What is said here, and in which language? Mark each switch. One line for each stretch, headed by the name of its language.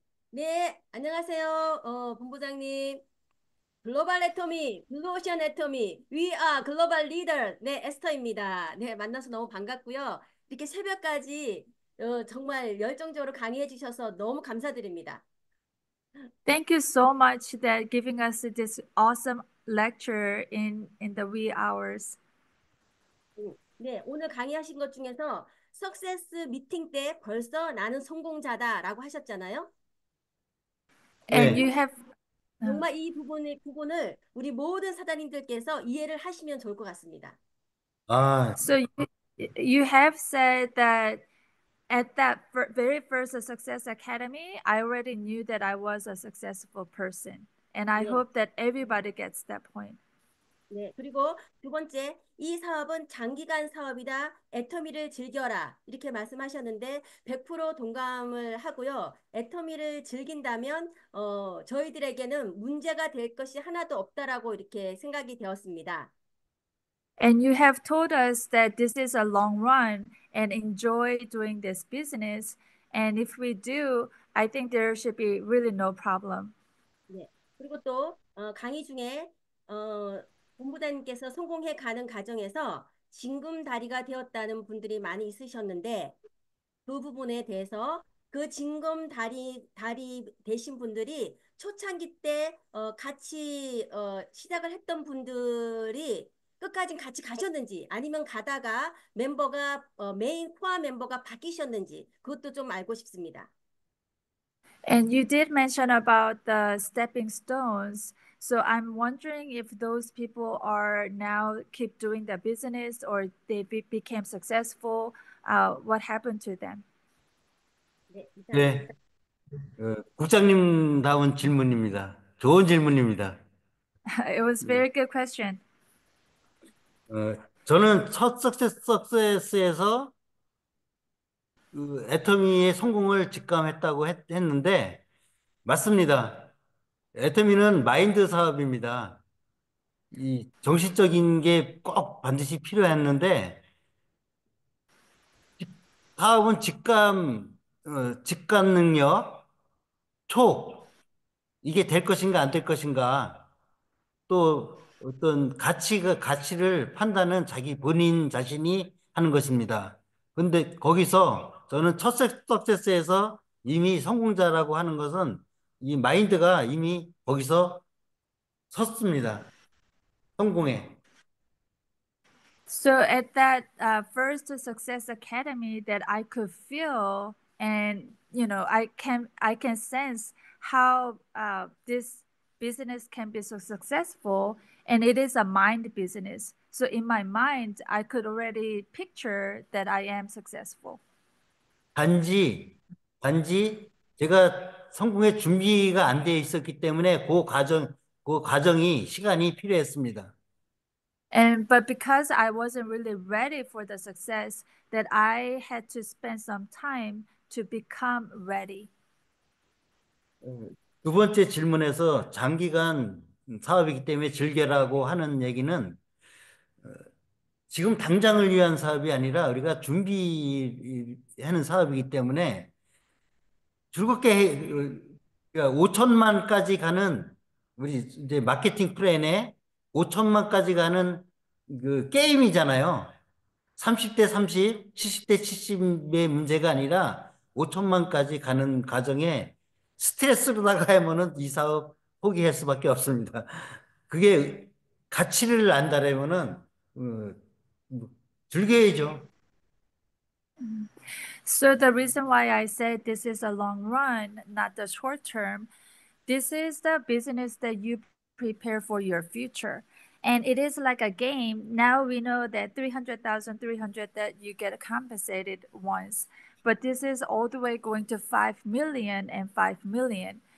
Korean: 네. 안녕하세요, 본부장님. 글로벌 애터미, 블루오션 애터미,
English: We are global leader.
Korean: 네, 에스터입니다. 네, 만나서 너무 반갑고요. 이렇게 새벽까지 정말 열정적으로 강의해 주셔서 너무 감사드립니다.
English: Thank you so much that giving us this awesome lecture in the wee hours.
Korean: 네, 오늘 강의하신 것 중에서 Success 미팅 때 벌써 나는 성공자다라고 하셨잖아요.
English: And you have
Korean: 정말 이 부분을 우리 모든 사장님들께서 이해를 하시면 좋을 것 같습니다.
English: So you have said that at that very first Success Academy, I already knew that I was a successful person. And I
Korean: 네.
English: hope that everybody gets that point.
Korean: 네, 그리고 두 번째, 이 사업은 장기간 사업이다. 애터미를 즐겨라. 이렇게 말씀하셨는데 100% 동감을 하고요. 애터미를 즐긴다면 저희들에게는 문제가 될 것이 하나도 없다라고 이렇게 생각이 되었습니다.
English: And you have told us that this is a long run and enjoy doing this business. And if we do, I think there should be really no problem. 네.
Korean: 그리고 또 강의 중에 본부장님께서 성공해 가는 과정에서 징검다리가 되었다는 분들이 많이 있으셨는데 그 부분에 대해서 그 징검다리 되신 분들이 초창기 때 같이 시작을 했던 분들이 끝까지 같이 가셨는지 아니면 가다가 메인 코어 멤버가 바뀌셨는지 그것도 좀 알고 싶습니다.
English: And you did mention about the stepping stones. So I'm wondering if those people are now keep doing the business or they became successful. What happened to them?
Korean: 네, 네, 국장님다운 질문입니다. 좋은 질문입니다.
English: It was a very good question.
Korean: 저는 첫 석세스에서 애터미의 성공을 직감했다고 했는데, 맞습니다. 애터미는 마인드 사업입니다. 이 정신적인 게꼭 반드시 필요했는데, 사업은 직관 능력, 이게 될 것인가, 안될 것인가, 또 어떤 가치를 판단은 자기 본인 자신이 하는 것입니다. 근데 거기서 저는 첫 석세스에서 이미 성공자라고 하는 것은 이 마인드가 이미 거기서 섰습니다. 성공에.
English: So at that first Success Academy that I could feel and I can sense how this business can be so successful, and it is a mind business. So in my mind, I could already picture that I am successful.
Korean: 단지 제가 성공의 준비가 안 되어 있었기 때문에 그 과정이 시간이 필요했습니다.
English: But because I wasn't really ready for the success, that I had to spend some time to become ready.
Korean: 두 번째 질문에서 장기간 사업이기 때문에 즐겨라고 하는 얘기는 지금 당장을 위한 사업이 아니라 우리가 준비하는 사업이기 때문에 즐겁게 5천만까지 가는 우리 이제 마케팅 플랜에 5천만까지 가는 그 게임이잖아요. 30대 30, 70대 70의 문제가 아니라 5천만까지 가는 과정에 스트레스로 나가면은 이 사업 포기할 수밖에 없습니다. 그게 가치를 안다라면은 즐겨야죠.
English: So the reason why I said this is a long run, not the short term, this is the business that you prepare for your future. And it is like a game. Now we know that 300,000, 300 that you get compensated once, but this is all the way going to 5 million and 5 million.